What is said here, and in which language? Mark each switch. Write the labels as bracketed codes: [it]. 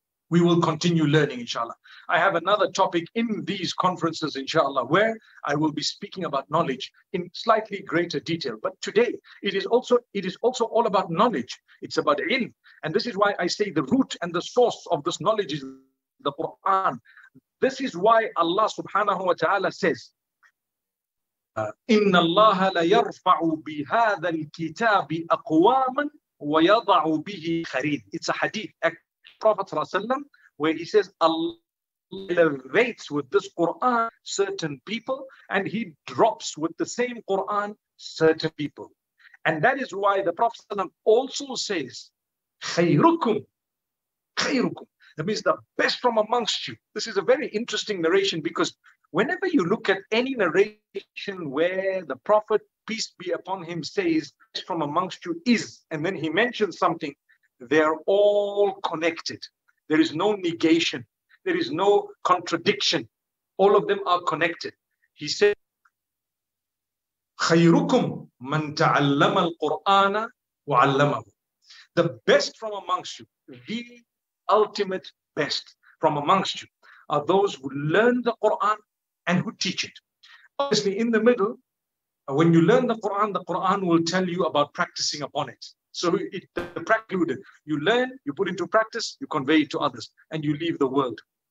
[en] We will continue learning, inshallah. I have another topic in these conferences, inshallah, where I will be speaking about knowledge in slightly greater detail. But today, it is also all about knowledge. It's about ilm. And this is why I say the root and the source of this knowledge is the Quran. This is why Allah subhanahu wa ta'ala says, [ar] إِنَّ اللَّهَ لَيَرْفَعُ بِهَذَا الْكِتَابِ أَقْوَامًا وَيَضَعُ بِهِ خَرِيدٍ. [en] It's a hadith. Prophet where he says Allah elevates with this Quran certain people, and he drops with the same Quran certain people. And that is why the Prophet also says khayrukum, khayrukum, that means the best from amongst you. This is a very interesting narration, because whenever you look at any narration where the Prophet, peace be upon him, says best from amongst you is, and then he mentions something, they're all connected. There is no negation. There is no contradiction. All of them are connected. He said, [ar] خَيْرُكُمْ مَنْ تَعَلَّمَ الْقُرْآنَ وَعَلَّمَهُ. [en] The best from amongst you, the ultimate best from amongst you, are those who learn the Quran and who teach it. Obviously, in the middle, when you learn the Quran will tell you about practicing upon it. So it, the practice, you learn, you put into practice, you convey it to others, and you leave the world.